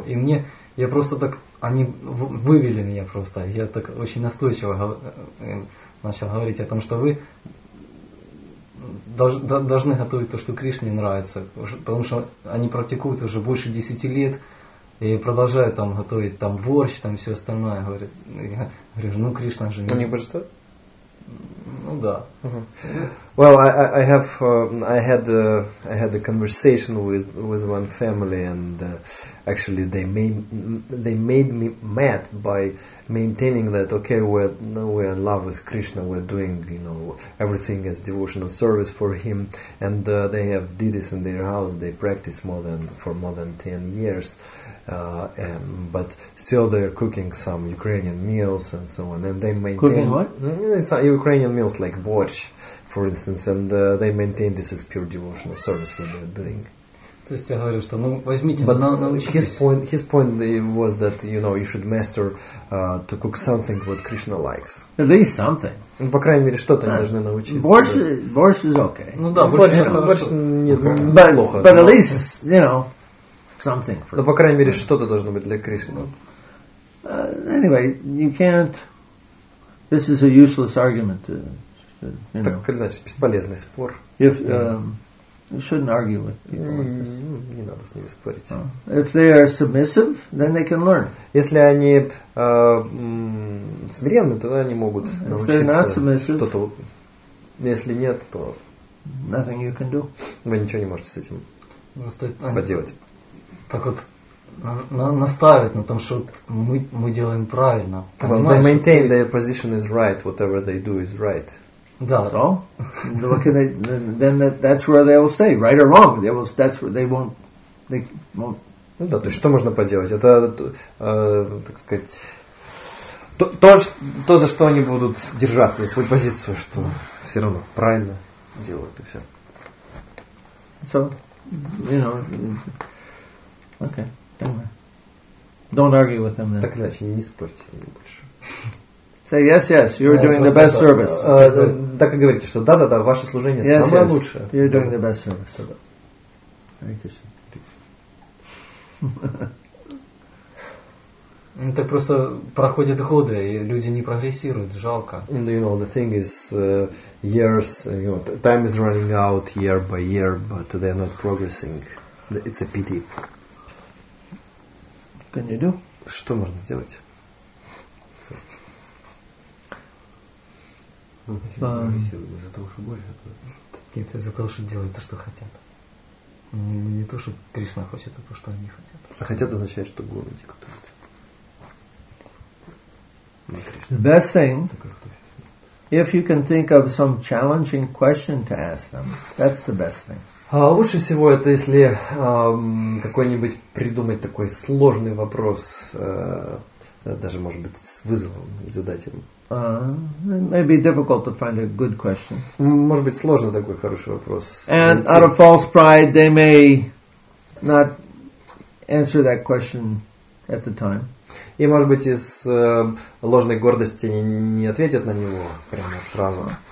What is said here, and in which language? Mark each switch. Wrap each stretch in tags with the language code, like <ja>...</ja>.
<ru>И мне, я просто так, они вывели меня просто, я так очень настойчиво начал говорить о том, что вы должны готовить то, что Кришне нравится, потому что они практикуют уже больше 10 лет и продолжают там готовить там борщ, там все остальное. Говорят, я говорю, ну Кришна же. Они просто? Ну да. Uh-huh.</ru> <en>Well, I had a conversation with one family and actually they made me mad by maintaining that okay, we're in love with Krishna, we're doing, you know, everything as devotional service for him, and they have did this in their house, they practice more than 10 years, but still they're cooking some Ukrainian meals and so on, and they maintain cooking what? Some Ukrainian meals like borscht, for instance, and they maintain this as pure devotional service what they're doing.</en> <ru>То есть я говорю, что, ну, возьмите,</ru> <en>but</en> <ru>научитесь.</ru> <en>His point was that, you know, you should master to cook something what Krishna likes. At least something.</en> <ru>Ну, по крайней мере, что-то они должны научиться.</ru> <en>Борщ is okay.</en> <ru>Ну да, борщ неплохо.</ru> <en>But at least, you know, something.</en> <ru>Ну, по крайней мере, что-то должно быть для Кришны.</ru> <en>Anyway, you can't... This is a useless argument.</en> <ru>Так или иначе, бесполезный спор.</ru> <en>You shouldn't argue with</en> <ru>Не надо с ними спорить.</ru> <en>If they are submissive, then they can learn.</en> <ru>Если они смиренны, тогда они могут научиться что-то. Если нет, то</ru> <en>nothing you can do.</en> <ru>Вы ничего не можете с этим поделать. Так вот настаивают на том, что мы делаем правильно.</ru> <en>Well, they maintain their position is right, whatever they do is right.</en> <ru>Да,</ru> <en>so, look at it, then that's where they will stay, right or wrong. They won't.</en> <ru>Ну да, то есть что можно поделать? Это, так сказать, то, за что они будут держаться, за свою позицию, что все равно правильно делают и все.</ru> <en>So, you know, okay, anyway. Don't argue with them then.</en> <ru>Так иначе, не спорьте с ними больше.</ru> <en>Say yes, yes. You're doing the best service.</en> <ru>Так и говорите, что да, ваше служение самое лучшее.</ru> <en>You're doing the best service. Thank you.</en> <ru>Ну так просто проходят годы, и люди не прогрессируют, жалко.</ru> <en>And you know, the thing is, years, you know, time is running out year by year, but they're not progressing. It's a pity. Can you do?</en> <ru>Что можно сделать? Это за то, что делают то, что хотят. Не то, что Кришна хочет, а то, что они хотят. А хотят означает, что гуру диктует.</ru> <en>The best thing, if you can think of some challenging question to ask them, that's the best thing.</en> <ru>Лучше всего это, если какой-нибудь придумать такой сложный вопрос даже может быть с вызовом задать ему.</ru> <en>Maybe difficult to find a good question.</en> <ru>Может быть сложно такой хороший вопрос.</ru> <en>And out of false pride, they may not answer that question at the time.</en> <ru>И может быть из ложной гордости не ответят на него прямо сразу.</ru>